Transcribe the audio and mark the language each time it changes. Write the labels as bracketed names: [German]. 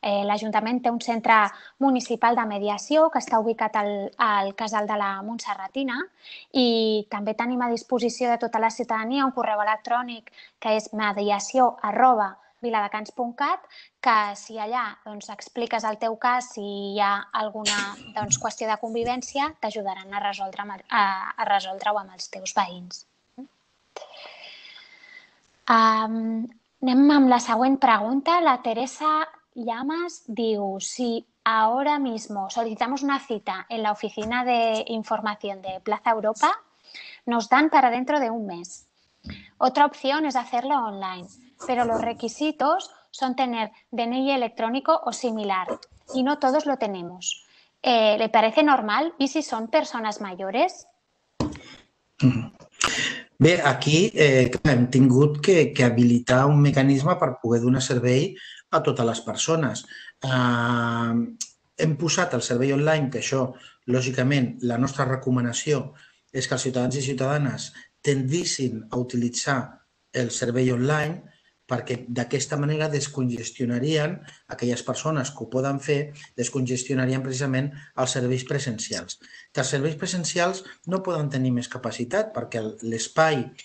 [Catalan] l'Ajuntament té un centre municipal de mediació que està ubicat al Casal de la Montserratina, i també tenim a disposició de tota la ciutadania un correu electrònic que és mediació@viladecans.cat, que si allà expliques el teu cas, si hi ha alguna qüestió de convivència, t'ajudaran a resoldre-ho amb els teus veïns. Anem amb la següent pregunta. [Spanish] La Teresa Llamas diu: si ahora mismo solicitamos una cita en la oficina de información de Plaza Europa, nos dan para dentro de un mes. Otra opción es hacerlo online, pero los requisitos son tener DNI electrónico o similar, y no todos lo tenemos. ¿Le parece normal? ¿Y si son personas mayores? [Catalan] Bé, aquí hem tingut que habilitar un mecanisme per poder donar servei a totes les persones. Hem posat el servei online, que això, lògicament, la nostra recomanació és que els ciutadans i ciutadanes tendissin a utilitzar el servei online, perquè d'aquesta manera descongestionarien aquelles persones que ho poden fer, descongestionarien precisament els serveis presencials. Que els serveis presencials no poden tenir més capacitat perquè l'espai